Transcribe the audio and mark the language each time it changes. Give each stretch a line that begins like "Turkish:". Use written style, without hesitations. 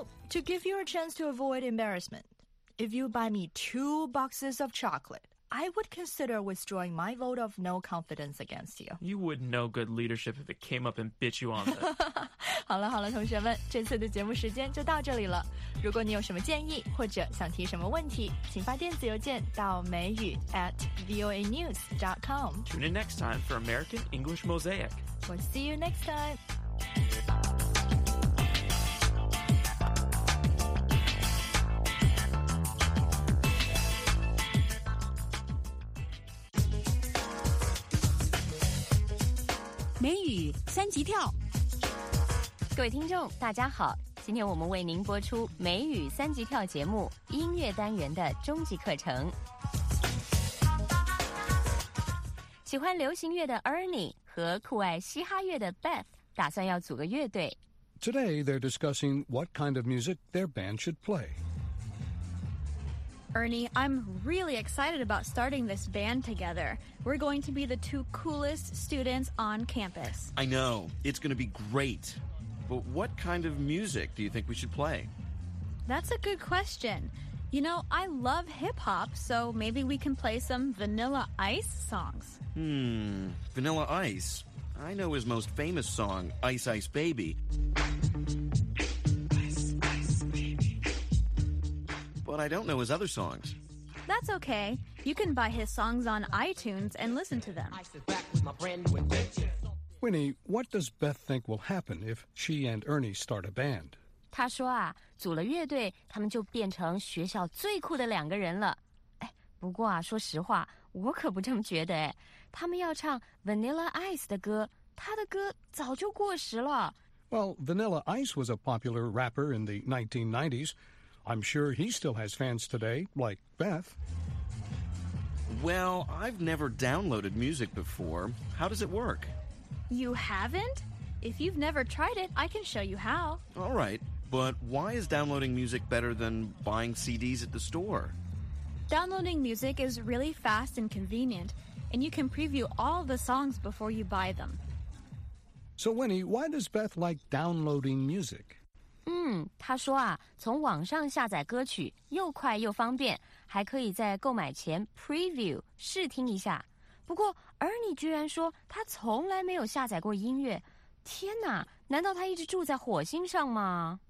English: To give you a chance to avoid embarrassment, if you buy me 2 boxes of chocolate, I would consider withdrawing my vote of no confidence against you. You would know good leadership if it came up and bit you on the...
Chinese: 好了好了同学们，这次的节目时间就到这里了。如果你有什么建议或者想提什么问题，请发电子邮件到美语@voanews.com.
English: Tune in next time for American English Mosaic. We'll see you next time.
Chinese: 美语三级跳。各位听众大家好，今天我们为您播出美语三级跳节目音乐单元的终极课程。喜欢流行乐的 Ernie 和酷爱嘻哈乐的 Beth 打算要组个乐队。
English: Today, they're discussing what kind of music their band should play. Ernie, I'm really excited about starting this band together. We're going to be the two coolest students on campus. I know. It's going to be great. But what kind of music do you think we should play? That's a good question. You know, I love hip-hop, so maybe we can play some Vanilla Ice songs. Vanilla Ice? I know his most famous song, Ice Ice Baby. But I don't know his other songs. That's okay. You can buy his songs on iTunes and listen to them. Winnie, what does Beth think will happen if she and Ernie start a band?
Chinese: 她说啊，组了乐队，他们就变成学校最酷的两个人了。哎，不过啊，说实话，我可不这么觉得哎。他们要唱 Vanilla Ice 的歌，他的歌早就过时了。
English: Well, Vanilla Ice was a popular rapper in the 1990s. I'm sure he still has fans today, like Beth. Well, I've never downloaded music before. How does it work? You haven't? If you've never tried it, I can show you how. All right, but why is downloading music better than buying CDs at the store? Downloading music is really fast and convenient, and you can preview all the songs before you buy them. So, Winnie, why does Beth like downloading music?
Chinese: 他说啊，从网上下载歌曲又快又方便，还可以在购买前 preview 试听一下。不过 Ernie 居然说他从来没有下载过音乐，天哪，难道他一直住在火星上吗？